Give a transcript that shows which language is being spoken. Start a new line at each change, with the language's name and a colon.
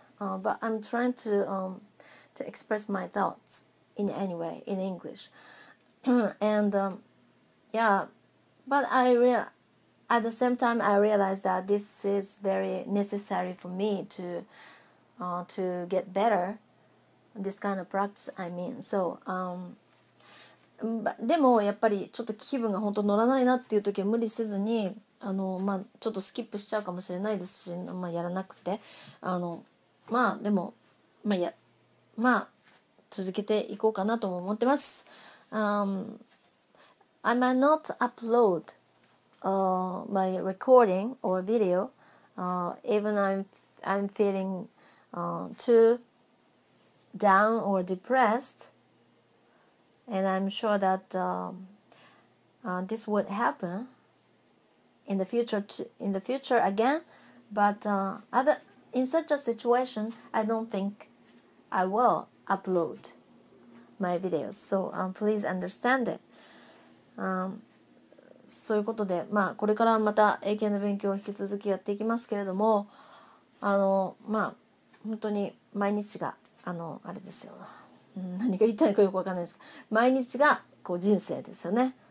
English: But I'm trying to express my thoughts in any way in English. And but at the same time, I realized that this is very necessary for me to get better. This kind of practice, I mean.
Japanese: So, でもやっぱりちょっと気分が本当乗らないなっていう時は無理せずに、ちょっとスキップしちゃうかもしれないですし、やらなくて、続けていこうかなとも思ってます。
English: I might not upload my recording or video even I'm feeling too down or depressed, and I'm sure that this would happen in the future again, but in such a situation, I don't think I will upload my videos, so please understand it.
Japanese: そういうことで、これからまた英検の勉強を引き続きやっていきますけれども、本当に毎日が、あれですよ、何が言いたいかよく分かんないですけど、毎日がこう人生ですよね。